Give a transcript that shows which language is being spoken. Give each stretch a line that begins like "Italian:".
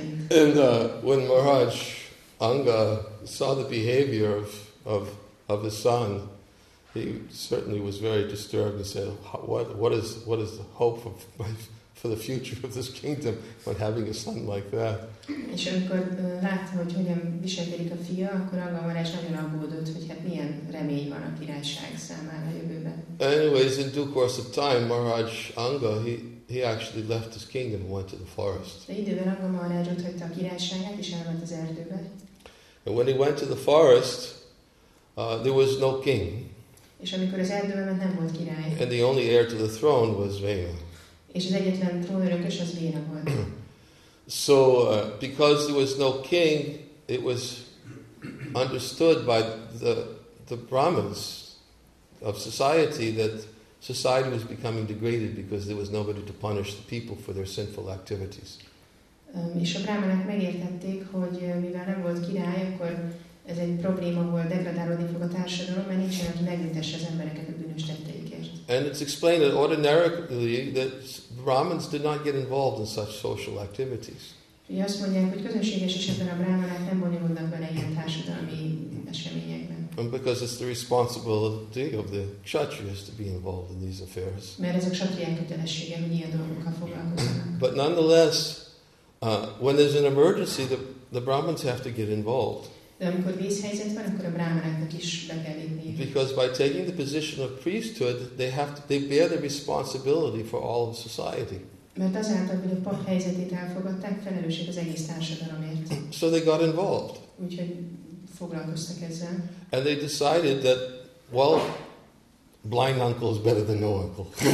English: And when Maharaj Anga saw the behavior of his son, he certainly was very disturbed and said, what is the hope for the future of this kingdom when having a son like that?
Hungarian: És amikor látta, hogy hogyan viselkedik a fia, akkor Anga Maharaj nagyon aggódott, hogy hát milyen remény van a királyság számára a jövőben.
English: Anyways, in due course of time, Maharaj Anga, he actually left his kingdom and went to the forest.
Hungarian: De időben Anga Maharaj ott hagyta a királyságát és elment az erdőbe.
English: And when he went to the forest, there was no king.
Hungarian: És amikor az erdőbe ment, nem volt király.
English: And the only heir to the throne was Vena.
Hungarian: És az egyetlen trónörökös az Vena volt.
English: So because there was no king, it was understood by the Brahmins of society that society was becoming degraded because there was nobody to punish the people for their sinful activities.
Hungarian: És a brámanák megértették, hogy mivel nem volt király, akkor ez egy probléma volt, degradálódni fog a társadalom, mert nincsen, aki megbüntesse az embereket a bűnös tetteikért.
English: And it's explained that ordinarily that Brahmins did not get involved in such social activities.
Hungarian: Ugye azt mondják, hogy közönséges esetben a brámanák nem bonyolulnak bele ilyen társadalmi eseményekben.
English: And because it's the responsibility of the kshatriyas to be involved in these affairs.
Hungarian: Mert ez a kshatriyák kötelessége, hogy ilyen dolgokkal foglalkozzanak.
English: But nonetheless, when there's an emergency, the Brahmins have to get involved.
Hungarian: De amikor vészhelyzet van, akkor a brámanáknak is be kell lépni.
English: Because by taking the position of priesthood, they bear the responsibility for all of society.
Hungarian: Mert azáltal, hogy a pap helyzetét elfogadták, felelősség az egész társadalomért.
English: So they got involved.
Hungarian: Úgyhogy foglalkoztak ezzel.
English: And they decided that, well, blind uncle is better than no uncle.